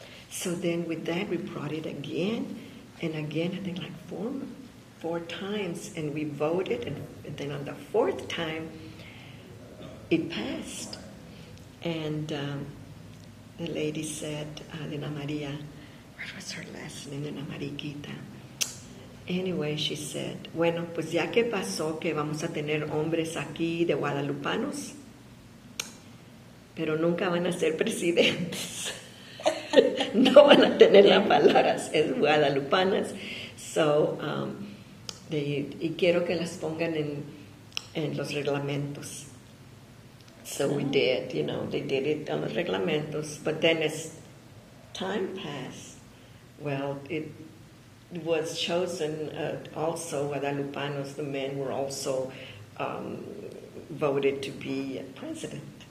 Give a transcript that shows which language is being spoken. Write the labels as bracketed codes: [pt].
[en] So then with that, we brought it again and again, I think like four times, and we voted, and then on the fourth time, it passed. And the lady said, Lina Maria, what was her last name, Lina Mariquita? Anyway, she said, [es] bueno, pues ya que pasó que vamos a tener hombres aquí de Guadalupanos, pero nunca van a ser presidentes. No van a tener las palabras, es Guadalupanas. So, y quiero que las pongan en los reglamentos. [en] So we did, you know, they did it on the reglamentos. But then as time pass. Well, it was chosen also, Guadalupanos, the men were also voted to be president.